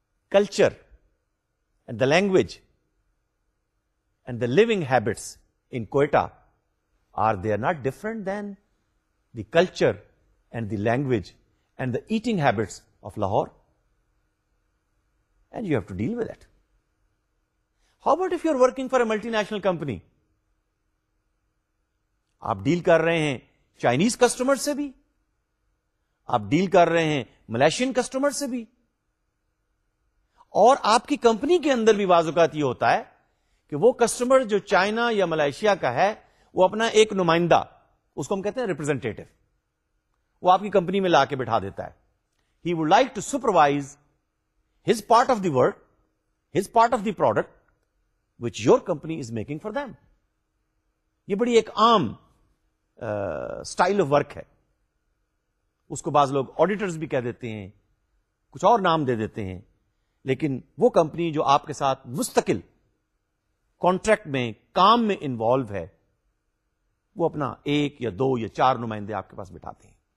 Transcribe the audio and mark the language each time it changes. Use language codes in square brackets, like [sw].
[en] Culture and the language and the living habits in Quetta, are they not different than the culture and the language and the eating habits of Lahore? And you have to deal with that. How about if you are working for a multinational company? [ur] آپ deal کر رہے ہیں Chinese customer سے بھی, آپ deal کر رہے ہیں ملیشین کسٹمر سے بھی, اور آپ کی کمپنی کے اندر بھی بعض اوقات یہ ہوتا ہے کہ وہ کسٹمر جو چائنا یا ملائیشیا کا ہے وہ اپنا ایک نمائندہ, اس کو ہم کہتے ہیں ریپرزینٹیٹو, وہ آپ کی کمپنی میں لا کے بٹھا دیتا ہے. [en] He would like to supervise his part of the work, his part of the product which your company is making for them. [ur] یہ بڑی ایک عام اسٹائل آف ورک ہے, اس کو بعض لوگ آڈیٹرز بھی کہہ دیتے ہیں, کچھ اور نام دے دیتے ہیں, لیکن وہ کمپنی جو آپ کے ساتھ مستقل کانٹریکٹ میں کام میں انوالو ہے وہ اپنا ایک یا دو یا چار نمائندے آپ کے پاس بٹھاتے ہیں.